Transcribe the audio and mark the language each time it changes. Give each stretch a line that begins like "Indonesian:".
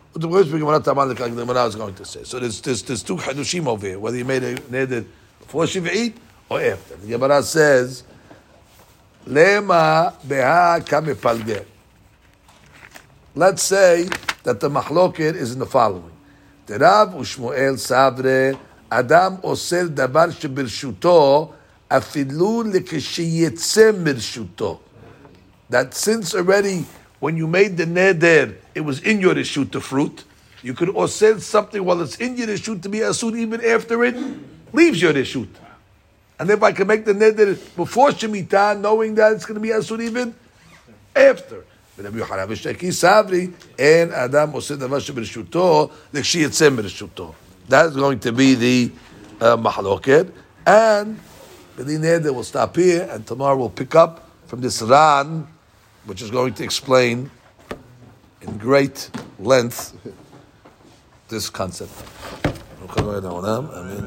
English: But the words begin with what I was going to say. So there's two chadushim over here, whether you made a neder before Shiva'it or after. The Gemara says,
Aramaic: lema beha kamepalger.
English: Let's say that the machloket is in the following.
Hebrew: דרב ושמואל סברה, אדם אוסר דבר שברשותו, אפילו לכשייצא מרשותו.
English: That since already, when you made the neder, it was in your reshut, the fruit, you could oser something while it's in your reshut to be asur, even after it leaves your reshut. And if I can make the neder before Shemitah, knowing that it's going to be asur even after.
Hebrew: ורבי יוחנן ושקי סברי, אין אדם עושה דבר שברשותו, לכשיצא מרשותו.
English: That's going to be the מחלוקת. And the neder will stop here, and tomorrow we'll pick up from this Ran, which is going to explain in great length this concept.